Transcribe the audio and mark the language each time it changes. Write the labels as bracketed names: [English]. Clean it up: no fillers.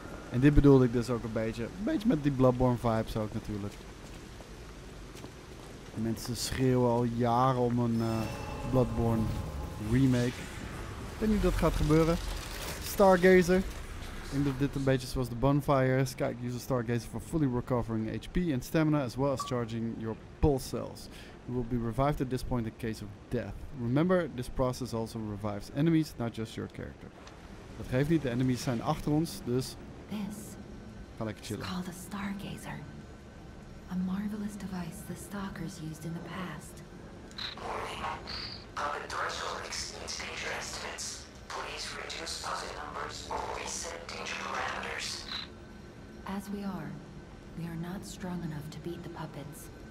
[Dutch] En dit bedoelde ik dus ook een beetje met die Bloodborne vibes ook natuurlijk. Mensen schreeuwen al jaren om een Bloodborne remake. Ik denk niet dat gaat gebeuren. Stargazer. Ik denk dat dit een beetje zoals de Bonfire is. [English] Kijk, use a Stargazer for fully recovering HP and stamina as well as charging your pulse cells. You will be revived at this point in case of death. Remember, this process also revives enemies, not just your character. [Dutch] Dat geeft niet, de enemies zijn achter ons, dus ga lekker chillen. [English] Is called a Stargazer. A marvelous device the stalkers used in the past. Warning. Puppet threshold exceeds danger estimates. Please reduce puppet numbers or reset danger parameters. As we are not strong enough to beat the puppets.